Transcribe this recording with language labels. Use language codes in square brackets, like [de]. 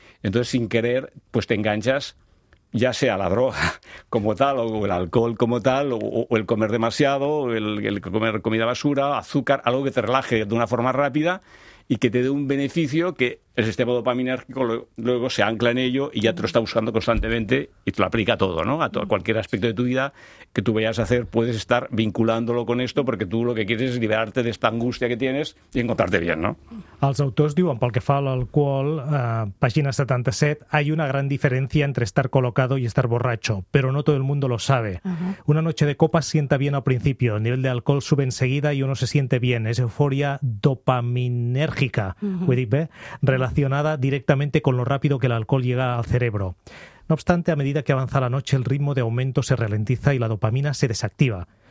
[es] Entonces, sin querer, pues te enganchas, ya sea la droga como tal, o el alcohol como tal, o el comer demasiado, o el comer comida basura, azúcar, algo que te relaje de una forma rápida y que te dé un beneficio que el sistema dopaminérgico luego se ancla en ello y ya te lo está buscando constantemente y te lo aplica a todo, ¿no? A cualquier aspecto de tu vida que tú vayas a hacer, puedes estar vinculándolo con esto porque tú lo que quieres es liberarte de esta angustia que tienes y encontrarte bien, ¿no? [ca] Els autors diuen, pel que fa a l'alcohol, pàgina 77, [es] hay una gran diferencia entre estar colocado y estar borracho, pero no todo el mundo lo sabe. Uh-huh. Una noche de copas sienta bien al principio, el nivel de alcohol sube enseguida y uno se siente bien, es euforia dopaminérgica, uh-huh. [ca] ¿Ho dic bé? [es] Relacionada directamente con lo rápido que el alcohol llega al cerebro. No obstante, a medida que avanza la noche, el ritmo de aumento se ralentiza y la dopamina se desactiva.